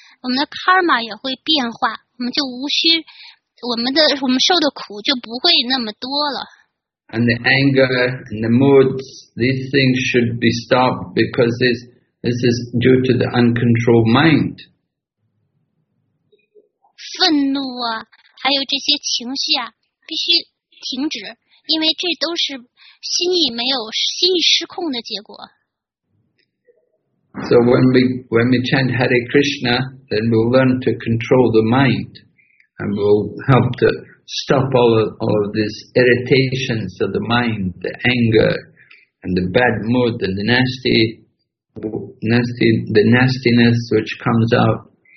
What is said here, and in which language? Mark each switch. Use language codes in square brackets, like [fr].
[zh] 我们的 karma 也会变化，我们就无需我们受的苦就不会那么多了。 [en] And the anger and the moods, these things should be stopped because this is due to the uncontrolled mind. [zh] 愤怒啊，还有这些情绪啊，必须停止，因为这都是心意失控的结果。 [en] So when we chant Hare Krishna, then we'll learn to control the mind, and we'll help to stop all of these irritations of the mind, the anger, and the bad mood, and the nastiness which comes out.